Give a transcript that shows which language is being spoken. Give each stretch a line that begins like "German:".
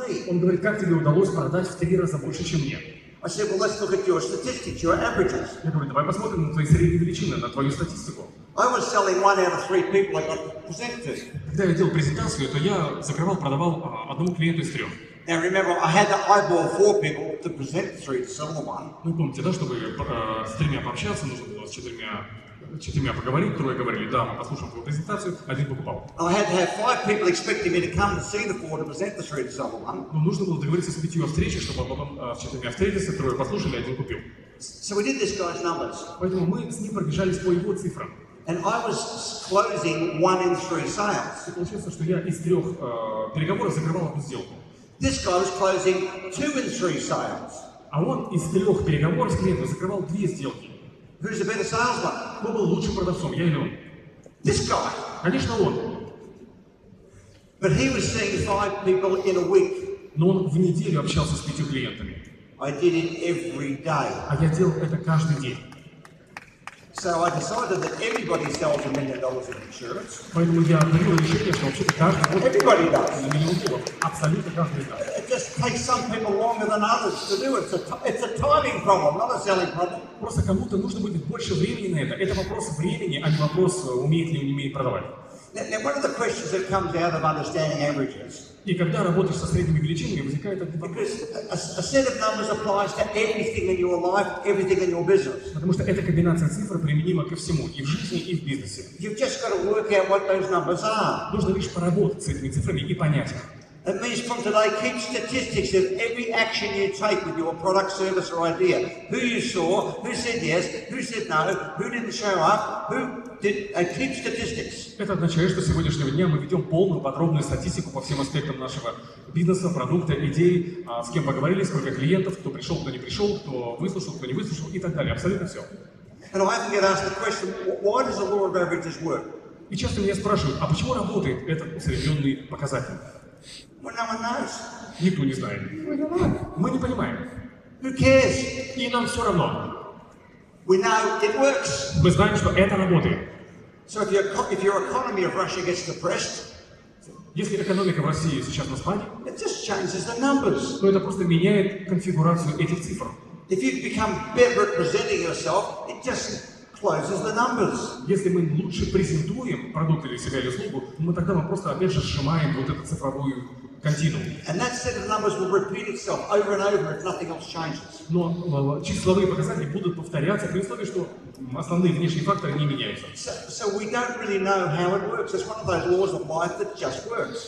Russian: Он говорит, как тебе удалось продать в 3 раза больше, чем мне? Я говорю, давай посмотрим на твои средние величины, на твою статистику. Когда я делал презентацию, то я закрывал, продавал одному клиенту из 3.
English: Now remember, I had to eyeball 4 people to present 3 to sell the 1.
Russian: Ну помните, да, чтобы с 3 пообщаться, нужно было с 4. Чуть меня поговорить, трое говорили, да, мы послушаем твою презентацию, один покупал.
English: I had to have 5 people expecting me to come to see the 4 to present the 3 to sell the 1.
Russian: Но нужно было договориться с 5 о встрече, чтобы потом с 4 встретиться, трое послушали, один купил.
English: So we did this guy's numbers.
Russian: Поэтому мы с ним пробежались по его цифрам.
English: And I was closing 1 in 3 sales.
Russian: И получается, что я из 3 переговоров закрывал одну сделку.
English: This guy was closing 2 in 3 sales.
Russian: А он из 3 переговоров с клиентом закрывал 2 сделки.
English: Who's the better salesman?
Russian: Кто был лучшим продавцом, я или он?
English: This guy.
Russian: Конечно, он.
English: But he was seeing 5 people in a week.
Russian: Но он в неделю общался с 5 клиентами.
English: I did it every day.
Russian: А я делал это каждый день.
English: So I decided that everybody sells $1 million in insurance.
Russian: Поэтому я принял решение, что вообще-то каждый год.
English: Everybody does.
Russian: Миллион долларов. Абсолютно каждый год. Просто кому-то нужно будет больше времени на это. Это вопрос времени, а не вопрос, умеет ли он не умеет продавать.
English: Now, one of the questions that comes out of understanding averages.
Russian: И когда работаешь со средними величинами, возникает этот вопрос.
English: A set of numbers applies to everything in your life, everything in your business.
Russian: Потому что эта комбинация цифр применима ко всему, и в жизни, и в бизнесе.
English: You've just got to work out what those numbers are.
Russian: Нужно лишь поработать с этими цифрами и понять их.
English: It means from today, keep statistics of every action you take with your product, service, or idea. Who you saw, who said yes, who said no, who didn't show up, who did, and keep statistics.
Russian: Это означает, что с сегодняшнего дня мы ведем полную подробную статистику по всем аспектам нашего бизнеса, продукта, идеи, с кем поговорили, сколько клиентов, кто пришел, кто не пришел, кто выслушал, кто не выслушал, и так далее. Абсолютно все.
English: And I often get asked the question, why does the law of averages work?
Russian: И часто меня спрашивают, а почему работает этот усредненный показатель?
English: Well, no one knows.
Russian: Никто не знает. Мы не понимаем.
English: Who cares?
Russian: И нам все равно.
English: We know it works.
Russian: Мы знаем, что это работает.
English: So if your economy of Russia gets depressed,
Russian: если экономика в России сейчас на спаде,
English: it just changes the numbers.
Russian: То это просто меняет конфигурацию этих цифр.
English: If you become better at presenting yourself, it just closes the numbers.
Russian: Если мы лучше презентуем продукт или себя или услугу, мы тогда мы просто опять же сжимаем вот эту цифровую континуум.
English: And that set of numbers will repeat itself over and over if nothing else changes.
Russian: Но числовые показатели будут повторяться при условии, что основные внешние факторы не меняются.
English: So we don't really know how it works. It's one of those laws of life that just works.